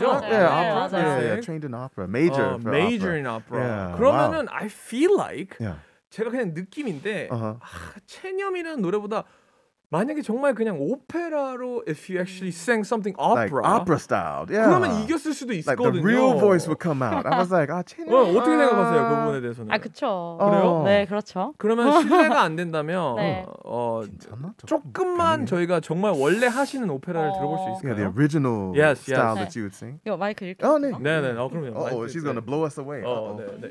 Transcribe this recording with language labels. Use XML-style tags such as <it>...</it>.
<en>Yeah, yeah, opera. Yeah, yeah, yeah. Trained in opera. Major. Major opera. in opera. Yeah.</en> <ko>그러면은</ko> <en>wow. I feel like yeah.</en> <ko>제가 그냥 느낌인데</ko> <en>uh-huh.</en> <ko>아, 체념이라는 노래보다 만약에 정말 그냥 오페라로</ko> <en>if you actually sang something opera, like opera style. Yeah.</en> <ko>그러면 이겼을 수도 있거든요.</ko> <en>Like the real voice would come out. I was like,</en> <ko>아 체념. 어, 어떻게 생각하세요 그 부분에 대해서는? 아 그쵸. 그래요? 네 그렇죠. 그러면 실례가 안 된다면, 네. 괜찮나? 조금만 저희가 정말 원래 하시는 오페라를 들어볼 수 있을까요?</ko> <en>Yeah, the original yes, style that you would sing.</en> <ko>이거 마이크 이렇게. 어, 네. 네, 네. 어, 그러면.</ko> <en>Oh, she's gonna blow us away.</en> <ko>어, 네, 네.</ko>